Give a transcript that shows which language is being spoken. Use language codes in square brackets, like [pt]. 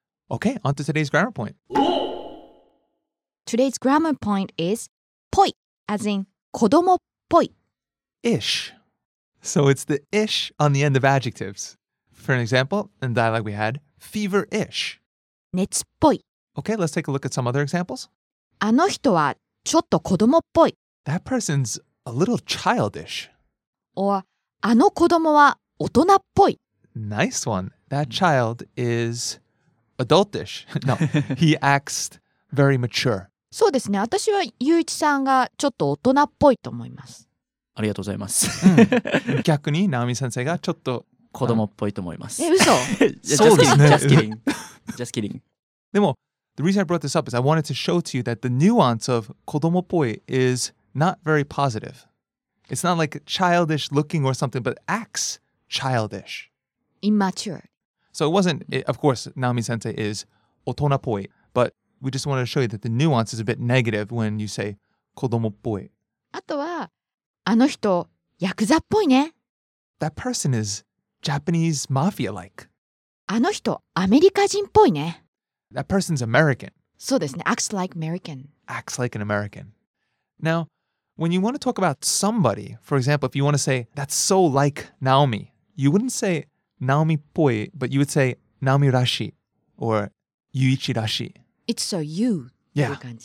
[en] Okay, on to today's grammar point. Today's grammar point is poi, as in kodomo poi. Ish. So it's the ish on the end of adjectives. For an example, in the dialogue we had, feverish. [ja] Netsu poi. [en] Okay, let's take a look at some other examples. [ja] あの人はちょっと子供っぽい. [en] That person's... A little childish. [ja] Or, あの子供は大人っぽい. [en] Nice one. That child is adultish. No, he acts very mature. [ja] そうですね。私はゆういちさんがちょっと大人っぽいと思います。ありがとうございます。逆に、ナオミ先生がちょっと子供っぽいと思います。え、嘘? そうですね。 [en] Just kidding. Just kidding. でも、the reason I brought this up is I wanted to show to you that the nuance of 子供っぽい isNot very positive. It's not like childish looking or something, but acts childish. Immature. So it wasn't, of course, Naomi-sensei is otonapoi, but we just wanted to show you that the nuance is a bit negative when you say kodomopoi. [ja] あとは、あの人、ヤクザっぽいね。 [en] That person is Japanese mafia-like. [ja] あの人、アメリカ人っぽいね。 [en] That person's American. [ja] そうですね、 [en] acts like American. Acts like an American. Now,When you want to talk about somebody, for example, if you want to say, that's so like Naomi, you wouldn't say Naomi っぽい, but you would say Naomi らしい. or Yuichi Rashi. It's so you. Yeah.